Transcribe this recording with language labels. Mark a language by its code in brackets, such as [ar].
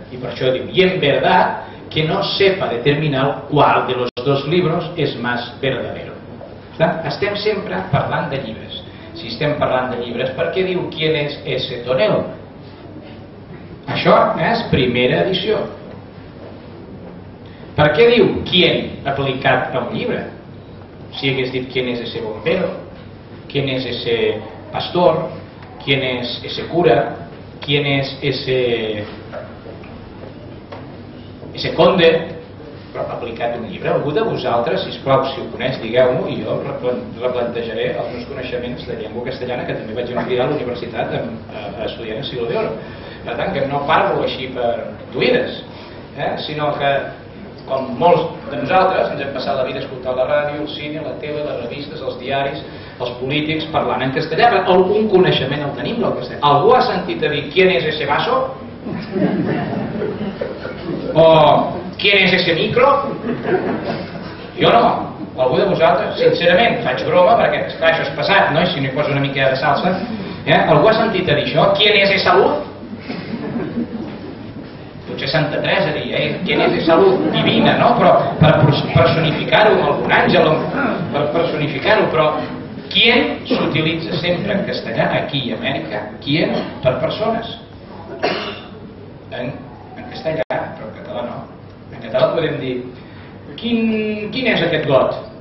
[ca] I per això diu, [es] i en verdad que no sepa determinar qual de los dos libros es más verdadero. [ca] Estem sempre parlant de llibres. Si estem parlant de llibres, per què diu [es] quién es ese tonel? [ca] Això és primera edició. Per què diu quién aplicat a un llibre? Si hagués dit [es] quién es ese bombero, quién es ese pastor, quién es ese cura, quién es ese conde, [ca] però aplicat a un llibre. Algú de vosaltres, sisplau, si ho coneix, digueu-m'ho i jo replantejaré els meus coneixements de llengua castellana, que també vaig enviar a la universitat a estudiar en Siglo d'Oro. Per tant, que no parlo així per tuïdes, sinó que, com molts de nosaltres, ens hem passat la vida escoltant la ràdio, el cine, la tele, les revistes, els diaris, els polítics, parlant en castellà, però algun coneixement el tenim del castellà. Algú ha sentit a dir, [es] ¿quién es ese vaso? O, ¿quién es ese micro? [ca] Jo no, algú de vosaltres, sincerament, faig broma, perquè clar, això és passat, no? I si no hi poso una mica de salsa, algú ha sentit a dir això? [es] ¿Quién es esa luz? [ca] Potser Santa Teresa diria, [es] ¿quién es esa luz divina? [ca] No? Però per personificar-ho, algun àngel, per personificar-ho, però ¿quién s'utilitza sempre en castellà aquí a Amèrica? ¿Quién? Per persones. En castellà, però en català no. En català podem dir, ¿quin és aquest got?